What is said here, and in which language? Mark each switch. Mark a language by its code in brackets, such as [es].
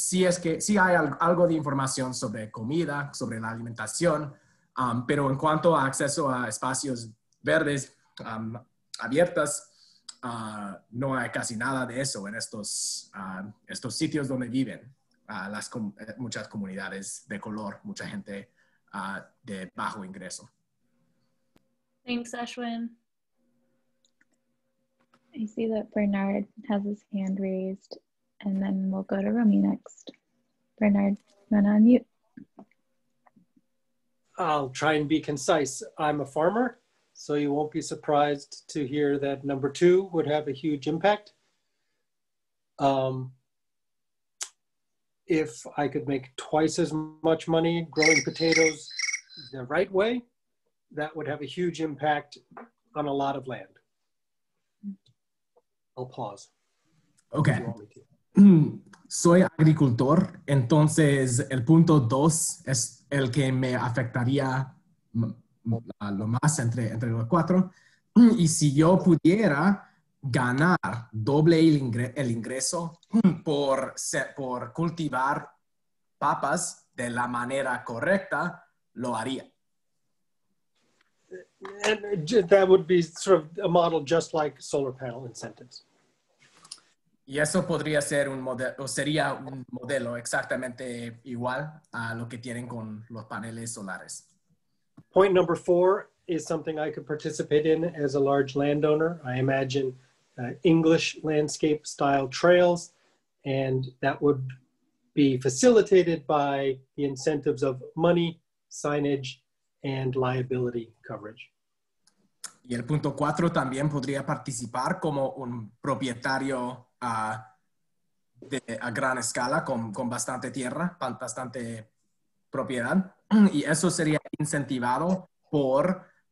[es] Si es que si hay algo de información sobre comida, sobre la alimentación, pero en cuanto a acceso a espacios verdes abiertas, no hay casi nada de eso en estos, estos sitios donde viven las muchas comunidades de color, mucha gente de bajo ingreso. [en] Thanks, Ashwin. I see that Bernard has his hand raised, and then we'll go to Romy next. Bernard, you want to unmute? I'll try and be concise. I'm a farmer, so you won't be surprised to hear that number two would have a huge impact. If I could make twice as much money growing potatoes the right way, that would have a huge impact on a lot of land. I'll pause. Okay. [es] Soy agricultor, entonces el punto dos es el que me afectaría lo más entre los cuatro. Y si yo pudiera ganar doble el ingreso por cultivar papas de la manera correcta, lo haría. [en] That would be sort of a model just like solar panel incentives. [es] Y eso podría ser un modelo, o sería un modelo exactamente igual a lo que tienen con los paneles solares. [en] Point number four is something I could participate in as a large landowner. I imagine English landscape style trails, and that would be facilitated by the incentives of money, signage, and liability coverage. [es] Y el punto cuatro también podría participar como un propietario a gran escala con bastante tierra, bastante propiedad, y eso sería incentivado por